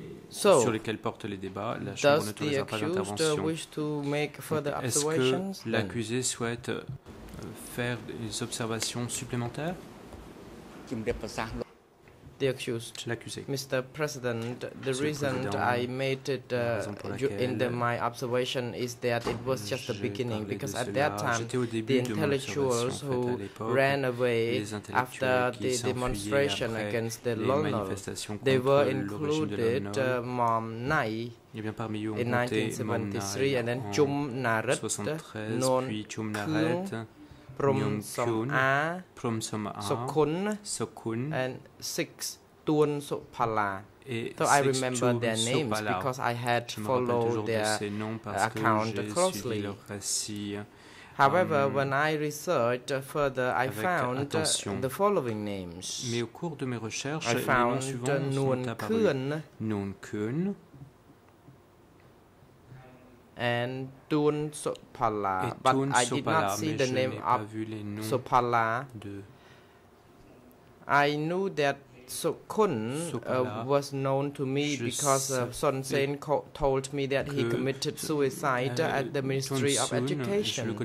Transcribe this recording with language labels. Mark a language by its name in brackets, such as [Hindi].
[French] So, sur lesquels portent les débats, la Chambre n'autorisera pas l'intervention. Est-ce que l'accusé souhaite faire des observations supplémentaires? [English] The accused. [French] L'accusé. [English] Mr. President, the reason I made it my observation is that it was just the beginning, because at that time the intellectuals who ran away after the demonstration against the Lolnol, they were included Mom Nai in 1973, and then Chum Narat, Non Chum Narat, Prom Som A, Sokun, and Six Tuan Sopala. So I remember their names because I had followed their account closely. However, when I researched further, I found the following names. [French] Mais au cours de mes recherches, [English] I found [French] Nuon Kun, [English] and Tuan Sopala, but I did not see the name of Sopala. I knew that Sokun was known to me because Son Sen told me that he committed suicide at the Ministry of Education,